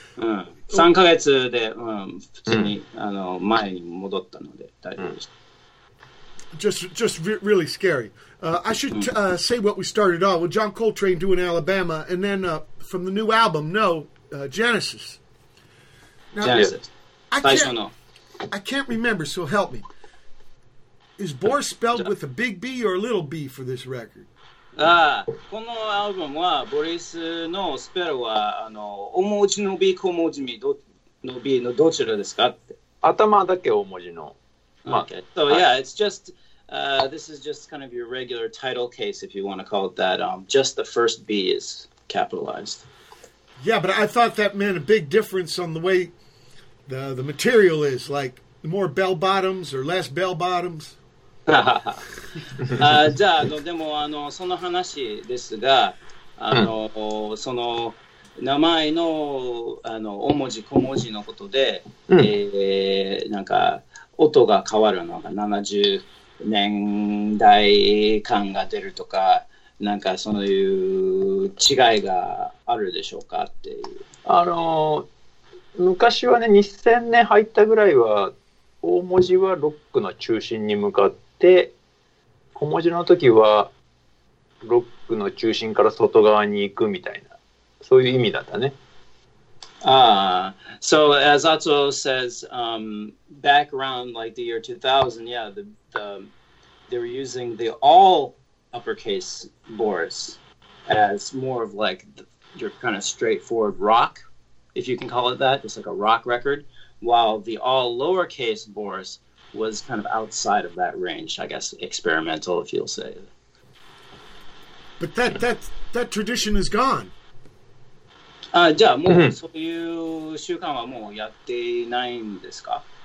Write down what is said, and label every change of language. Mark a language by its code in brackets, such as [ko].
[ja] 3ヶ月で普通に前に戻ったので大丈夫です。 [en] Just really scary. I should say what we started off with. John Coltrane doing Alabama. And then from the new album, Genesis. I can't remember, so help me. Is Boris spelled with a big B or a little B for this record? [ja] この album は Boris のスペルは大文字の B 小文字の B のどちらですかって。 頭だけ大文字の。 [en] So yeah, it's just this is just kind of your regular title case, if you want to call it that. Just the first B is capitalized. Yeah, but I thought that meant a big difference on the way. the material is, like more bell bottoms or less bell bottoms. [ja] じゃあ、でもあのその話ですが、あの、うん、その名前の、 あの大文字小文字のことで、うん、なんか音が変わるのが70年代感が出るとか、なんかそういう違いがあるでしょうかっていう。あの昔はね、2000年入ったぐらいは大文字はロックの中心に向かって、で小文字の時はロックの中心から外側に行くみたいな、そういう意味だったね。 [en] ああ、So as Atsuo says, back around like the year 2000, yeah, they were using the all uppercase Boris as more of like your kind of straightforward rock, if you can call it that, just like a rock record, while the all lowercase Boris was kind of outside of that range, I guess, experimental, if you'll say. But that tradition is gone. [ja] じゃあ、もうそういう習慣はもうやっていないんですか？